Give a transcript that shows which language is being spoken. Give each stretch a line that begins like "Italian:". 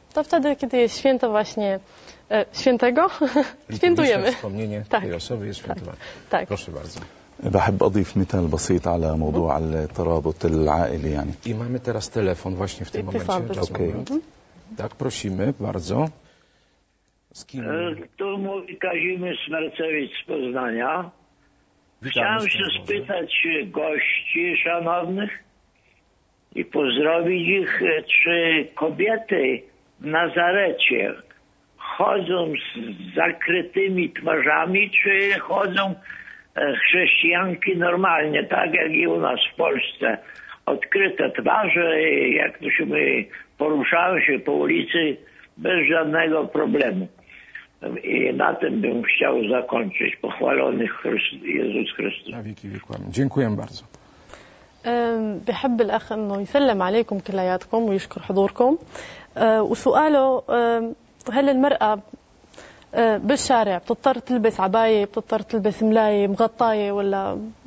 Polish: To wtedy, kiedy jest święto właśnie świętego, świętujemy. Wspomnienie tak. tej osoby jest świętowane. Tak. Proszę bardzo.
Arabic: بحب أضيف مثال بسيط على موضوع الترابط العائلي يعني. إمامي
Polish: teraz telefon właśnie w tym momencie. Okay. Tak, prosimy bardzo. Z kim? Tu mówi Kazimierz Smercewicz z Poznania. Chciałem się spytać gości szanownych i pozdrowić ich, czy kobiety w Nazarecie chodzą z zakrytymi twarzami, czy chodzą chrześcijanki normalnie, tak jak i u nas w Polsce. Odkryte twarze, jak to się mówi, poruszały się po ulicy bez żadnego problemu. I na tym bym chciał zakończyć. Pochwalony Jezus Chrystus. Na wieki wieku. Dziękuję bardzo.
Arabic: بحب الأخ أنه يسلم عليكم كلياتكم ويشكر حضوركم. وسؤاله هل المرأة بالشارع بتضطر تلبس عباية، بتضطر تلبس ملاية مغطاية ولا